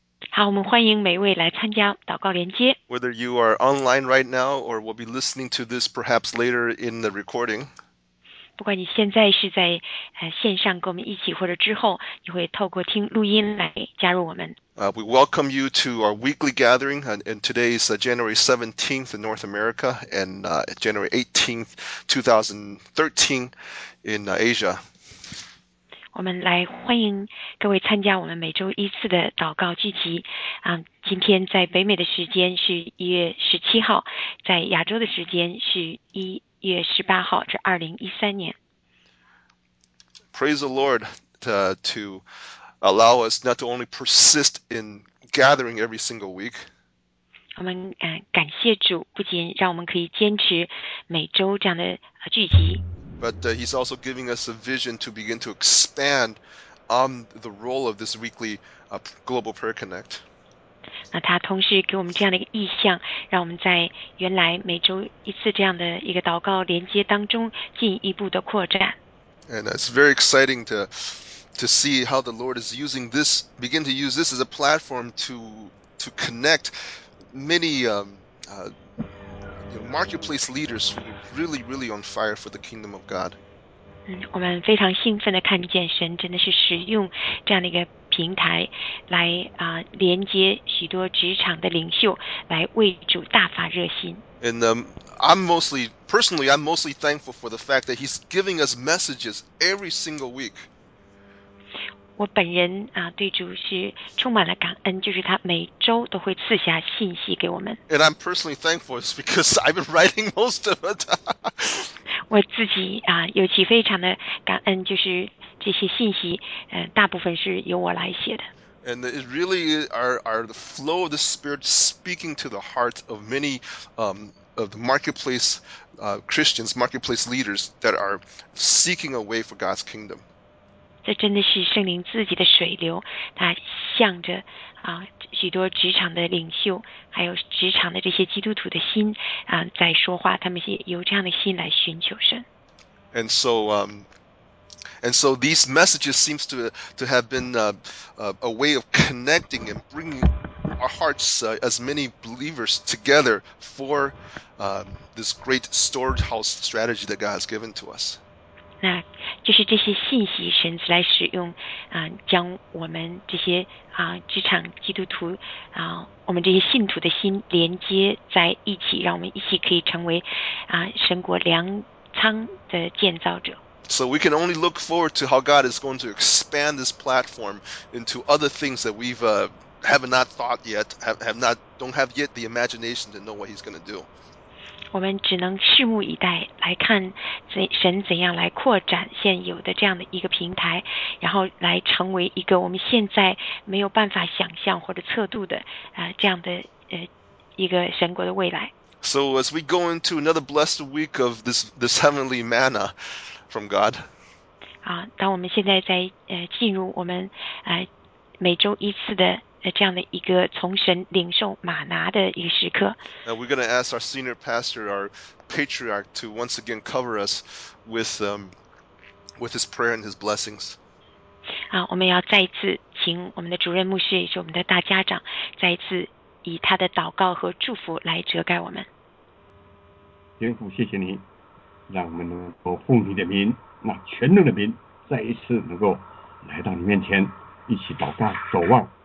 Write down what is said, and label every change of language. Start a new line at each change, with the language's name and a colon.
Chinese: 好，我们欢迎每位来参加祷告连接。
English: Whether you are online right now or will be listening to this perhaps later in the recording.
Chinese: 不管你现在是在线上跟我们一起，或者之后你会透过听录音来加入我们。
English: We welcome you to our weekly gathering, and today is January 17th in North America and January 18th, 2013 in Asia.
Chinese: 我们来欢迎各位参加我们每周一次的祷告聚集。今天在北美的时间是1月17号，在亚洲的时间是1月18号，这2013年。
English: Praise the Lord to allow us not to only persist in gathering every single week.
Chinese: 我们感谢主，不仅让我们可以坚持每周这样的聚集。
English: But he's also giving us a vision to begin to expand on the role of this weekly Global Prayer Connect.
Chinese: 那他同时给我们这样的一个意向，让我们在原来每周一次这样的一个祷告连接当中进一步的扩展。
English: And it's very exciting to see how the Lord is using this, begin to use this as a platform to connect many marketplace leaders who are really, really on fire for the kingdom of God.
Chinese: 我们非常兴奋地看见神真的是使用这样的一个平台来连接许多职场的领袖，来为主大发热心。
English: And I'm mostly thankful for the fact that he's giving us messages every single week.
Chinese: 我本人对主是充满了感恩，就是他每周都会赐下信息给我们。
English: And I'm personally thankful because I've been writing most of it.
Chinese: 我自己尤其非常的感恩，就是这些信息大部分是由我来写的。
English: And it really are the flow of the Spirit speaking to the hearts of many of the marketplace Christians, marketplace leaders that are seeking a way for God's kingdom.
Chinese: 这真的是圣灵自己的水流，它向着许多职场的领袖，还有职场的这些基督徒的心在说话，他们是由这样的心来寻求神。
English: And so, these messages seems to have been a way of connecting and bringing our hearts as many believers together for this great storehouse strategy that God has given to us.
Chinese: 那就是这些信息神来使用将我们这些职场基督徒我们这些信徒的心连接在一起，让我们一起可以成为神国粮仓的建造者。
English: So we can only look forward to how God is going to expand this platform into other things that we've have not thought yet, have not, don't have yet the imagination to know what he's going to do.
Chinese: 我们只能拭目以待，来看神怎样来扩展现有的这样的一个平台，然后来成为一个我们现在没有办法想象或者测度的这样的一个神国的未来。
English: So as we go into another blessed week of this heavenly manna from God.
Chinese: 当我们现在在进入我们每周一次的这样的一个从神领受玛拿的一个时刻。
English: Now we're going to ask our senior pastor, our patriarch, to once again cover us with his prayer and his blessings.
Chinese: 我们要再次请我们的主任牧师，也是我们的大家长，再次以他的祷告和祝福来遮盖我们。天父，谢谢你，让我们能够奉你的名，那全能的名，再一次能够来到你面前，一起祷告、守望。